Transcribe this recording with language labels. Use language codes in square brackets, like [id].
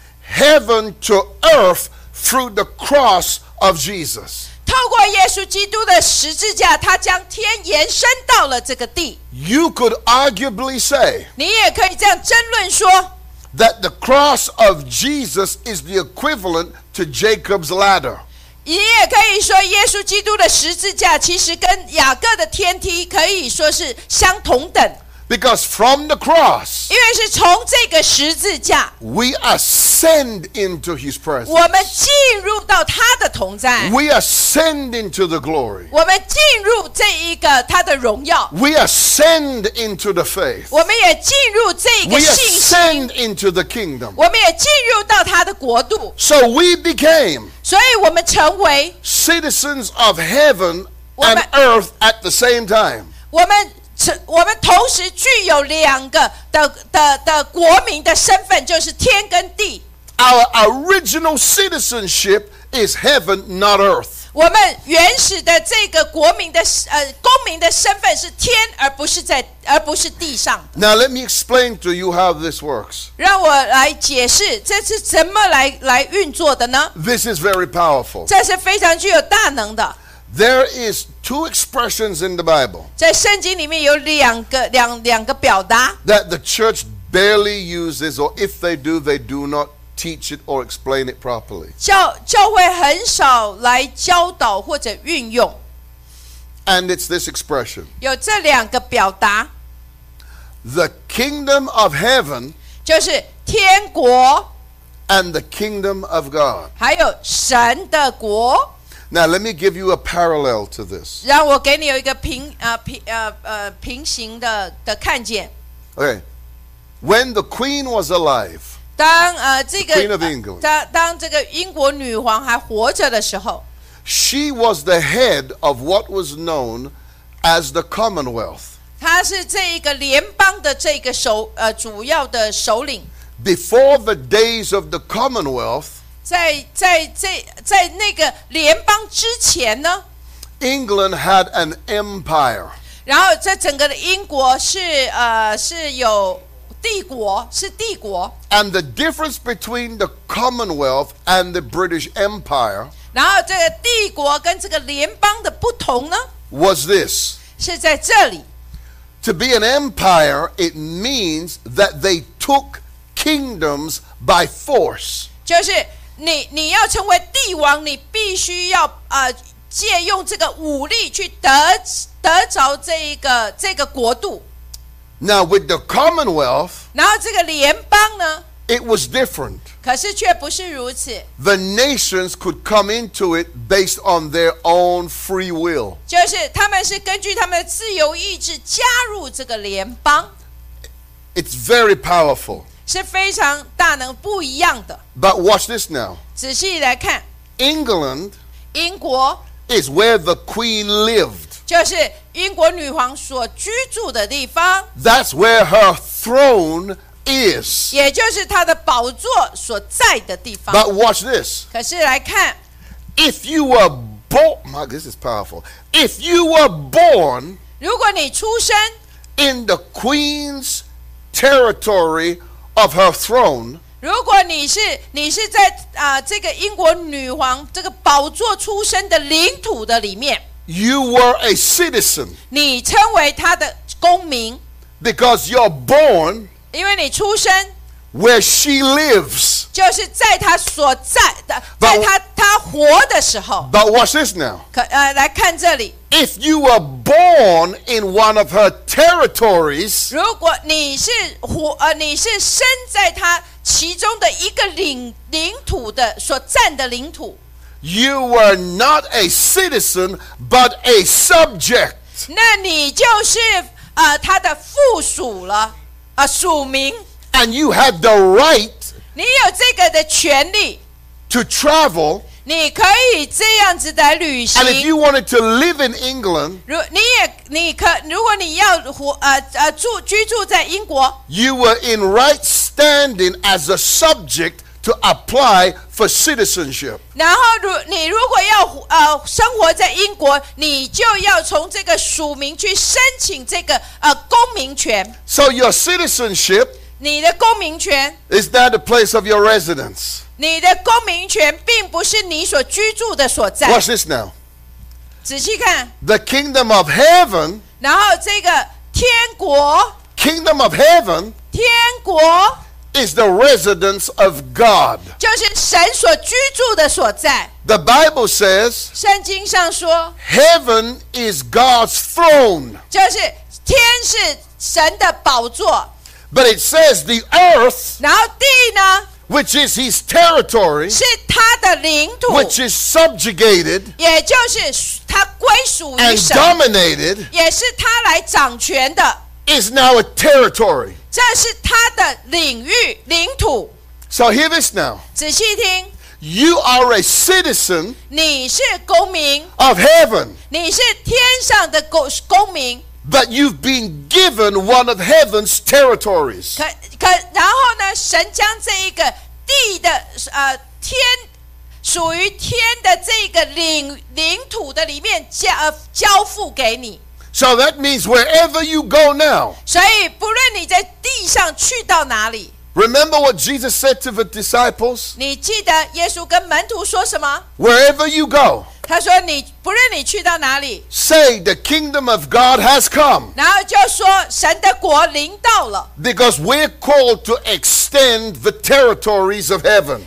[en] heaven to earth through the cross of Jesus. [zh] 透过耶稣基督的十字架，他将天延伸到了这个地。 [en] You could arguably say [zh] 你也可以这样争论说 [en] that the cross of Jesus is the equivalent to Jacob's ladder. [zh] 你也可以说耶稣基督的十字架其实跟雅各的天梯可以说是相同等。 [en] Because from the cross, [zh] 因为是从这个十字架 [en] we ascend into his presence. [zh] 我们进入到他的同在。 [en] We ascend into the glory. [zh] 我们进入这一个他的荣耀。 [en] We ascend into the faith. [zh] 我们也进入这一个信心。 [en] We ascend into the kingdom. [zh] 我们也进入到他的国度。 [en] So we became [zh] 所以我们成为 [en] citizens of heaven and earth at the same time. [zh] 我们同时具有两个 的国民的身份，就是天跟地。 [en] Our original citizenship is heaven, not earth. [zh] 我们原始的这个国民的公民的身份是天，而不是地上。 [en] Now let me explain to you how this works. [zh] 让我来解释这是怎么来运作的呢？ [en] This is very powerful. [zh] 这是非常具有大能的。 [en] There is two expressions in the Bible. [zh] 在圣经里面有两个表达。 [en] That the church barely uses, or if they do, they do not teach it or explain it properly. [zh] 教会很少来教导或者运用。 [en] And it's this expression. [zh] 有这两个表达。 [en] The kingdom of heaven. [zh] 就是天国。 [en] And the kingdom of God. [zh] 还有神的国。 [en] Now let me give you a parallel to this. [zh] 让我给你有一个平行的看见。 [en] Okay, when the Queen was alive, [zh] 当这个 [en] Queen of England, [zh] 当这个英国女皇还活着的时候 [en] ，she was the head of what was known as the Commonwealth. [zh] 她是这一个联邦的这个主要的首领。 [en] Before the days of the Commonwealth. [zh] 在那个联邦之前呢 [en] ，England had an empire。 [zh] 然后在整个的英国是有帝国，是帝国。 [en] And the difference between the Commonwealth and the British Empire。 [zh] 然后这个帝国跟这个联邦的不同呢 [en] ？Was this？ [zh] 是在这里。 [en] To be an empire, it means that they took kingdoms by force。 [zh] 就是。你要成为帝王，你必须要借用这个武力去得着这个国度。 [en] Now with the Commonwealth, [zh] 然后这个联邦呢 [en] ？It was different. [zh] 可是却不是如此。 [en] The nations could come into it based on their own free will. [zh] 就是他们是根据他们的自由意志加入这个联邦。 [en] It's very powerful. [zh] 是非常大能不一样的。 [en] But watch this now. [zh] 仔细来看。 [en] England, [zh] 英国 [en] is where the queen lived. [zh] 就是英国女皇所居住的地方。 [en] That's where her throne is. [zh] 也就是她的宝座所在的地方。 [en] But watch this. [zh] 可是来看。 [en] If you were born, my God, this is powerful. If you were born, [zh] 如果你出生 [en] in the queen's territory,Of her throne, [zh] 如果你是在这个英国女皇这个宝座出生的领土的里面 [en] ，you were a citizen. [zh] 你称为她的公民 [en] ，because you're born. [zh] 因为你出生 [en] ，where she lives. [zh] 就是在她所在的，在她活的时候。 [en] But watch this now. [zh] 来看这里。 [en] If you were born in one of her territories, [zh] 如果你是生在她其中的一个领土的所占的领土 [en] ，you were not a citizen but a subject. [zh] 那你就是她的附属了，属民。 [en] And you had the right, [zh] 你有这个的权利 [en] to travel. [zh] 你可以这样子来旅行。 [en] And if you wanted to live in England, [zh] 如果你要居住在英国 [en] ，you were in right standing as a subject to apply for citizenship. [zh] 然后你如果要生活在英国，你就要从这个属民去申请这个公民权。 [en] So your citizenship, [zh] 你的公民权 [en] is that the place of your residence? [zh] 你的公民权并不是你所居住的所在。 [en] Watch this now. [zh] 仔细看。 [en] The kingdom of heaven. [zh] 然后这个天国。 [en] Kingdom of heaven. [zh] 天国。 [en] Is the residence of God. [zh] 就是神所居住的所在。 [en] The Bible says. [zh] 圣经上说。 [en] Heaven is God's throne. [zh] 就是天是神的宝座。 [en] But it says the earth. [zh] 然后地呢？ [en] Which is his territory, [zh] 是他的领土 [en] which is subjugated, [zh] 也就是他归属于神 [en] and dominated, [zh] 也是他来掌权的 [en] is now a territory. [zh] 这是他的领域领土 [en] So hear this now. [zh] 仔细听 [en] You are a citizen, [zh] 你是公民 [en] of heaven, [zh] 你是天上的公民 [en] but you've been given one of heaven's territories. [zh] 然后呢？神将这一个地的天属于天的这个领土的里面交付给你。 [en] So that means wherever you go now. [zh] 所以不论你在地上去到哪里。 [en] Remember what Jesus said to the disciples. [zh] 你记得耶稣跟门徒说什么 [en] ？Wherever you go. [zh] 他说你不论你去到哪里 [en] Say the kingdom of God has come [zh] 然后就说神的国临到了 [en] Because we're called to extend the territories of heaven